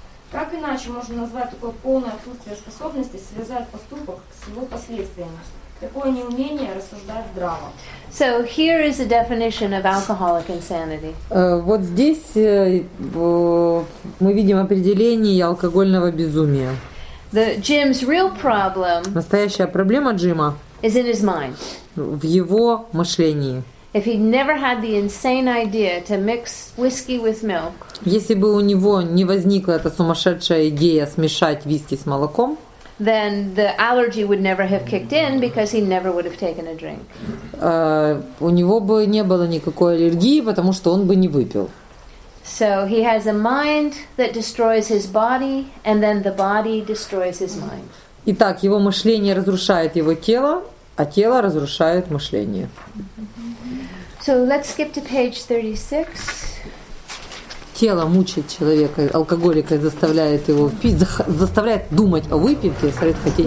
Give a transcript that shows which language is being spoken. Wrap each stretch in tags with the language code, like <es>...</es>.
<ru>Как иначе можно назвать такое полное отсутствие способности связать поступок с его последствиями, такое неумение рассуждать здраво?</ru> <en>So here is a definition of alcoholic insanity.</en> <ru>Вот здесь мы видим определение алкогольного безумия.</ru> <en>The Jim's real problem.</en> <ru>Настоящая проблема Джима.</ru> <en>Is in his mind.</en> <ru>В его мышлении.</ru> <en>If he'd never had the insane idea to mix whiskey with milk.</en> <ru>Если бы у него не возникла эта сумасшедшая идея смешать виски с молоком,</ru> <en>then the allergy would never have kicked in because he never would have taken a drink.</en> <ru>У него бы не было никакой аллергии, потому что он бы не выпил.</ru> <en>So he has a mind that destroys his body, and then the body destroys his mind.</en> <ru>Итак, его мышление разрушает его тело, а тело разрушает мышление.</ru> <en>So let's skip to page 36.</en> <ru>Тело мучает человека, алкоголика заставляет его пить, заставляет думать о выпивке, заставляет хотеть.</ru>